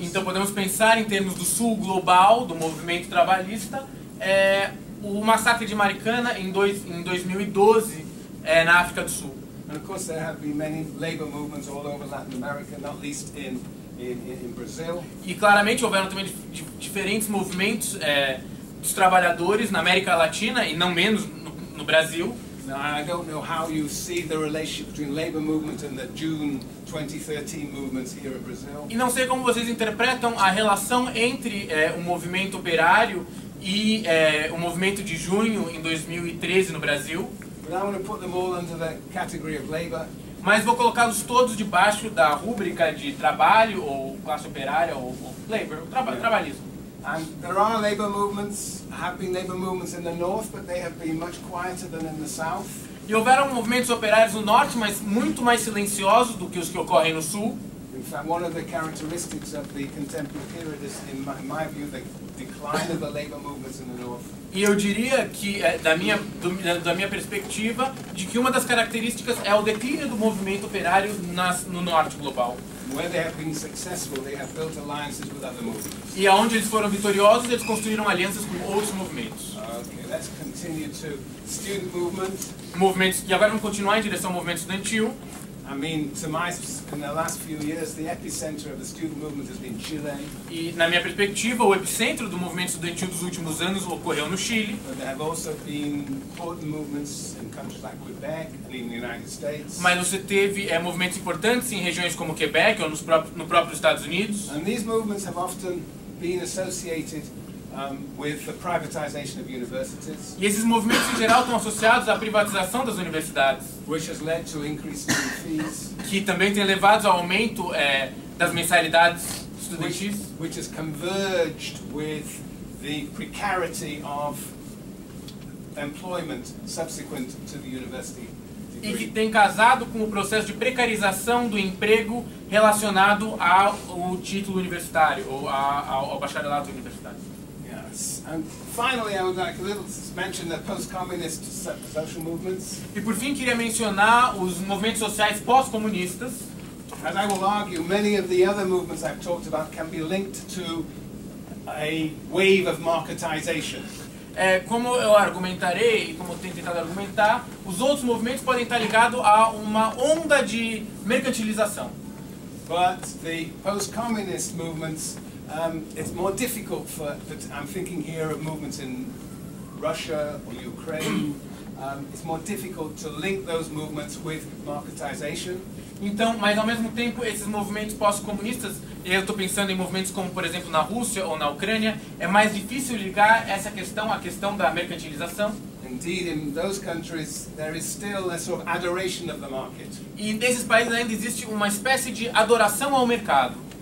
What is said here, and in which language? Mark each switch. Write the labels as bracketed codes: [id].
[pt] Então podemos pensar em termos do sul global do movimento trabalhista, o massacre de Marikana em 2012 na África do Sul. [en] And of course there have been many labor movements all over Latin America, not least in Brazil. [pt] E claramente houveram também diferentes movimentos dos trabalhadores na América Latina e não menos no Brasil. [en] Now, I don't know how you see the relationship between labor movement and the June 2013 movements here in Brazil. [pt] E não sei como vocês interpretam a relação entre o movimento operário e o movimento de junho em 2013 no Brasil. [en] But I want to put them all under the category of labor. [pt] Mas vou colocá-los todos debaixo da rúbrica de trabalho ou classe operária ou labor, trabalhismo. [en] And there are labor movements, have been labor movements in the north, but they have been much quieter than in the south. [pt] E houveram movimentos operários no norte, mas muito mais silenciosos do que os que ocorrem no sul. [en] In fact, one of the characteristics of the contemporary period is, in my view, the decline of the labor movements in the north. [pt] E eu diria que da minha perspectiva, de que uma das características é o declínio do movimento operário no norte global. [en] Where they have been successful, they have built alliances with other movements. [pt] E aonde eles foram vitoriosos, eles construíram alianças com outros movimentos. [en] Okay, let's continue to student movement. [pt] Movimentos, e agora vamos continuar em direção ao movimento estudantil. [en] I mean, to my, in the last few years, the epicenter of the student movement has been Chile. [pt] E na minha perspectiva, o epicentro do movimento estudantil dos últimos anos ocorreu no Chile. [en] But there have also been important movements in countries like Quebec and in the United States. [pt] Mas você teve movimentos importantes em regiões como Quebec ou no próprio Estados Unidos. [en] And these movements have often been associated with the privatization of universities. [pt] E esses movimentos em geral estão associados à privatização das universidades, [en] which has led to increased fees, [pt] que também tem levado ao aumento das mensalidades estudantis, [en] which has converged with the precarity of employment subsequent to the university degree. [pt] E que tem casado com o processo de precarização do emprego relacionado ao título universitário ou ao bacharelado universitário. [en] And finally, I would like a little mention the post-communist social movements. [pt] E por fim queria mencionar os movimentos sociais pós-comunistas. [en] As I will argue, many of the other movements I've talked about can be linked to a wave of marketization. [pt] Como eu argumentarei, como eu tenho tentado argumentar, os outros movimentos podem estar ligados a uma onda de mercantilização. [en] But the post-communist movements, it's more difficult for I'm thinking here of movements in Russia or Ukraine. It's more difficult to link those movements with marketization. [pt] Então, mas ao mesmo tempo, esses movimentos pós-comunistas, e eu estou pensando em movimentos como, por exemplo, na Rússia ou na Ucrânia, é mais difícil ligar essa questão à questão da mercantilização. [en] Indeed, in those countries, there is still a sort of adoration of the market. [pt] E nesses países ainda existe uma espécie de adoração ao mercado.